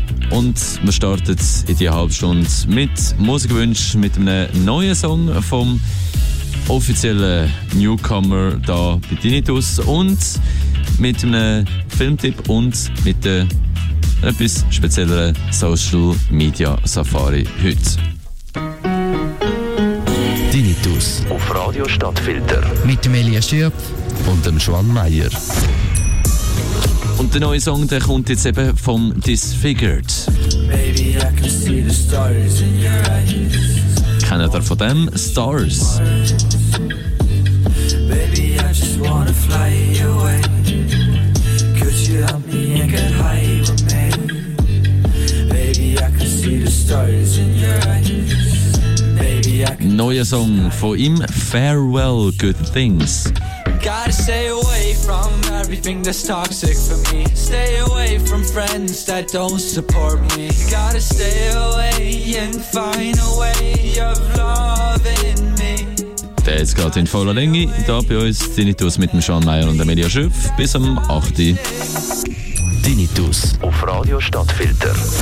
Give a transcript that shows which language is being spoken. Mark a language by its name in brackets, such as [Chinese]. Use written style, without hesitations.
[German] Und wir starten in dieser Halbstunde mit Musikwunsch, mit einem neuen Song vom offiziellen Newcomer hier bei Tinnitus und mit einem Filmtipp und mit der etwas speziellere Social Media Safari heute. Tinnitus auf Radio Stadtfilter. Mit dem Elias Schürp und dem Schwan Meier. Und der neue Song, der kommt jetzt eben vom Disfigured. [English] Maybe I can see the stars in your eyes. [German] Kennt ihr von dem? Stars. [English] Baby, I just wanna fly away. Could you help me and get high with me? [German] Neuer Song von ihm, Farewell Good Things. [English] Gotta stay away from everything that's toxic for me. Stay away from friends that don't support me. Gotta stay away and find a way of loving me. [German] Der ist gerade in voller Länge. Da bei uns Tinnitus mit dem Sean Meyer und Amelia Schiff. Bis um 8 Uhr. Tinnitus auf Radio Stadtfilter.